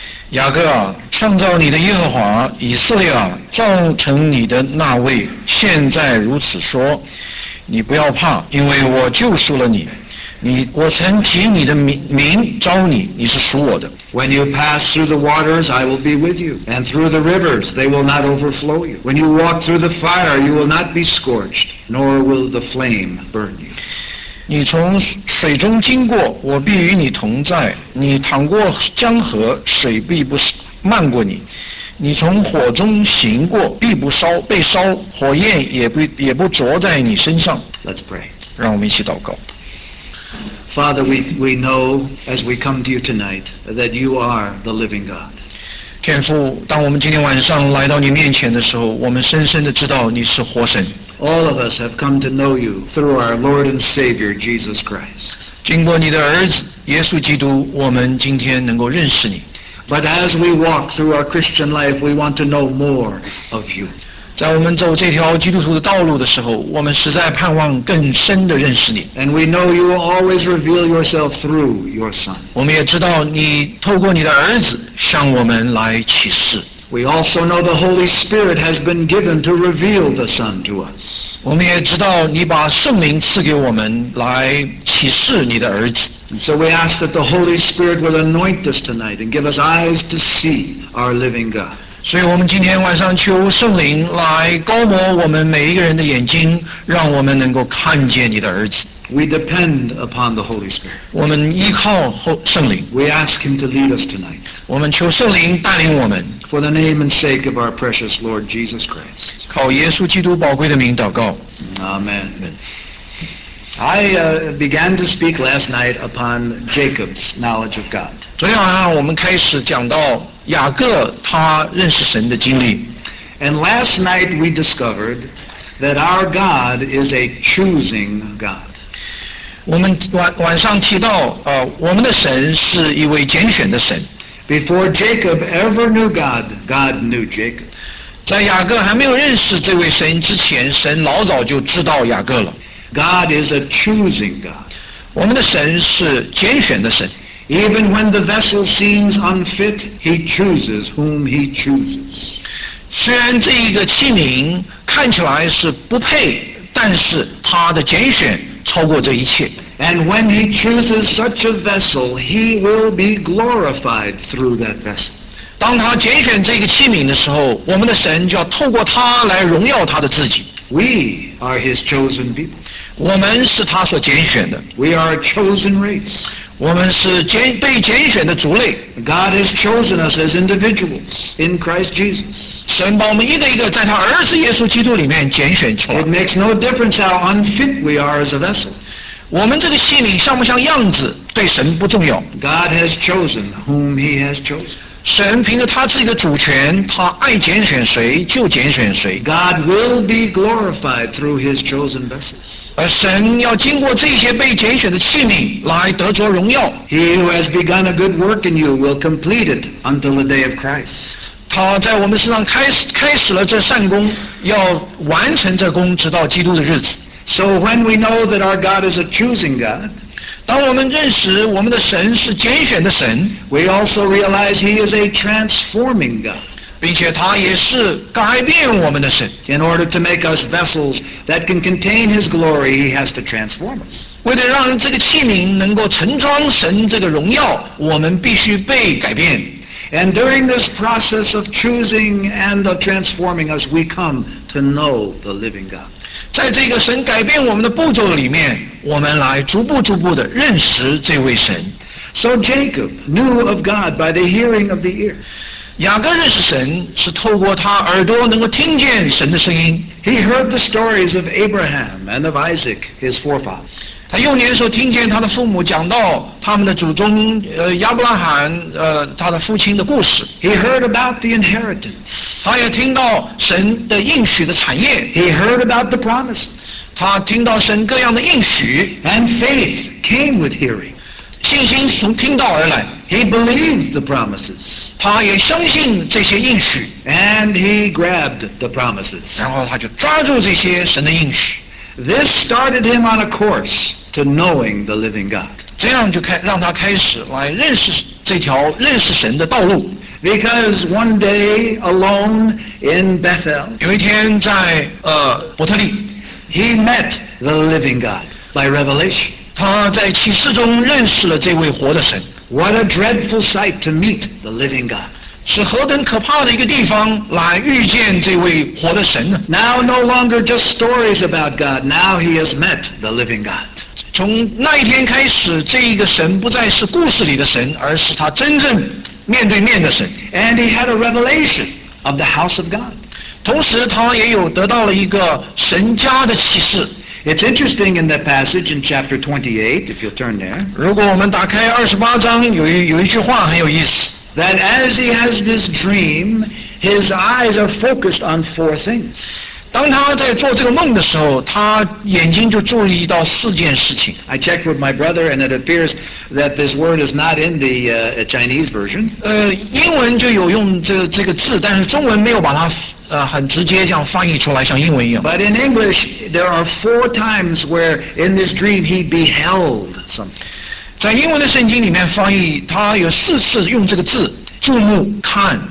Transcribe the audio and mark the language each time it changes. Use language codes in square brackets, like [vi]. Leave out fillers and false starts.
[zh] 雅各啊, 创造你的耶和华, 以色列啊, 造成你的那位, 现在如此说, 你不要怕, 因为我救赎了你, 你, 我曾起你的名, 招你, 你是属我的。 [en] When you pass through the waters, I will be with you, and through the rivers, they will not overflow you. When you walk through the fire, you will not be scorched, nor will the flame burn you. [zh] 你从水中经过, 我必与你同在, 你淌过江河, 水必不漫过你。你从火中行过, 必不烧, 被烧, 火焰也不着在你身上。 [en] Let's pray. [zh] 让我们一起祷告。 [en] Father, we know as we come to you tonight that you are the living God. [zh] 天父, 当我们今天晚上来到你面前的时候, 我们深深地知道你是活神。 [en] All of us have come to know you through our Lord and Savior, Jesus Christ. [zh] 经过你的儿子耶稣基督, 我们今天能够认识你。 [en] But as we walk through our Christian life, we want to know more of you. [zh] 在我们走这条基督徒的道路的时候, 我们实在盼望更深地认识你。 [en] And we know you will always reveal yourself through your Son. [zh] 我们也知道你透过你的儿子向我们来启示。 [en] We also know the Holy Spirit has been given to reveal the Son to us. [zh] 我们也知道你把圣灵赐给我们来启示你的儿子。 [en] And so we ask that the Holy Spirit will anoint us tonight and give us eyes to see our living God. [zh] 所以我们今天晚上求圣灵来膏抹我们每一个人的眼睛，让我们能够看见你的儿子。 [en] We depend upon the Holy Spirit. [zh] 我们依靠圣灵。 [en] We ask Him to lead us tonight. [zh] 我们求圣灵带领我们。 [en] For the name and sake of our precious Lord Jesus Christ. [zh] 靠耶稣基督宝贵的名祷告。 [en] Amen. I began to speak last night upon Jacob's knowledge of God. [zh] 昨天晚上我们开始讲到雅各他认识神的经历。 [en] And last night we discovered that our God is a choosing God. [zh] 我们 晚上提到、我们的神是一位拣选的神。 [en] Before Jacob ever knew God, God knew Jacob. [zh] 在雅各还没有认识这位神之前，神老早就知道雅各了。 [en] God is a choosing God. [zh] 我们的神是拣选的神。 [en] Even when the vessel seems unfit, He chooses whom He chooses. [zh] 虽然这一个器皿看起来是不配，但是他的拣选超过这一切。 [en] And when he chooses such a vessel, he will be glorified through that vessel. [zh] 当他拣选这个器皿的时候，我们的神就要透过他来荣耀他的自己。 [en] We are his chosen people. [zh] 我们是他所拣选的。 [en] We are a chosen race. [zh] 我们是被拣选的族类。 [en] God has chosen us as individuals in Christ Jesus. [zh] 神把我们一个一个在他儿子耶稣基督里面拣选出来。 [en] It makes no difference how unfit we are as a vessel. [zh] 我们这个器皿像不像样子对神不重要。 [en] God has chosen whom he has chosen. [zh] 神凭着他自己的主权，他爱拣选谁就拣选谁。 [en] God will be glorified through His chosen vessels. [zh] 而神要经过这些被拣选的器皿来得着荣耀。 [en] He who has begun a good work in you will complete it until the day of Christ. [zh] 他在我们身上开始了这善工，要完成这工，直到基督的日子。 [en] So when we know that our God is a choosing God. [zh] 当我们认识我们的神是拣选的神 [en] We also realize he is a transforming God [zh] 并且他也是改变我们的神 [en] In order to make us vessels that can contain his glory he has to transform us [zh] 为了让这个器皿能够盛装神这个荣耀我们必须被改变 [en] And during this process of choosing and of transforming us we come to know the living God [zh] 在这个神改变我们的步骤里面我们来逐步逐步地认识这位神 [en] So Jacob knew of God by the hearing of the ear [zh] 雅各认识神是透过他耳朵能够听见神的声音 [en] He heard the stories of Abraham and of Isaac his forefathers [zh] 他幼年时候听见他的父母讲到他们的祖宗亚伯拉罕他的父亲的故事 [en] He heard about the inheritance [zh] 他也听到神的应许的产业 [en] He heard about the promise [zh] 他听到神各样的应许 [en] And faith came with hearing [zh] 信心从听到而来 [en] He believed the promises [zh] 他也相信这些应许 [en] And he grabbed the promises [zh] 然后他就抓住这些神的应许 [en] This started him on a course to knowing the living God. [zh] 这样就开让他开始来认识这条认识神的道路。 [en] Because one day alone in Bethel, [zh] 有一天在伯特利 [en] he met the living God by revelation. [zh] 他在启示中认识了这位活的神。 [en] What a dreadful sight to meet the living God. [zh] 是何等可怕的一个地方来遇见这位活的神呢 [en] Now no longer just stories about God Now he has met the living God [zh] 从那一天开始这一个神不再是故事里的神而是他真正面对面的神 [en] And he had a revelation of the house of God [zh] 同时他也有得到了一个神家的启示 [en] It's interesting in that passage in chapter 28 If you'll turn there [zh] 如果我们打开二十八章有一句话很有意思 [en] That as he has this dream, his eyes are focused on four things. [zh] 当他在做这个梦的时候，他眼睛就注意到四件事情。 [en] I checked with my brother, and it appears that this word is not in the Chinese version. [zh] 英文就有用这个字，但是中文没有把它很直接这样翻译出来，像英文一样。 [en] But in English, there are four times where in this dream he beheld something. [zh] 在英文的圣经里面翻译，他有四次用这个字注目看。